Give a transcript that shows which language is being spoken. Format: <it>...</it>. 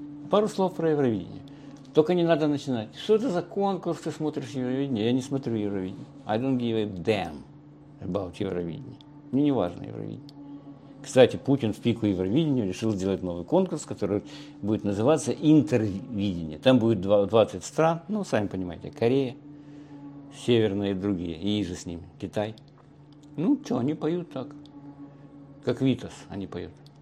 <ru>Пару слов про Евровидение. Только не надо начинать. Что это за конкурс, ты смотришь Евровидение? Я не смотрю Евровидение.</ru> <en>I don't give a damn about Евровидение.</en> <ru>Мне не важно Евровидение. Кстати, Путин в пику Евровидения решил сделать новый конкурс, который будет называться «Интервидение». Там будет 20 стран, ну, сами понимаете, Корея, Северная и другие, и же с ними, Китай. Ну, что, они поют так, как Витас они поют.</ru>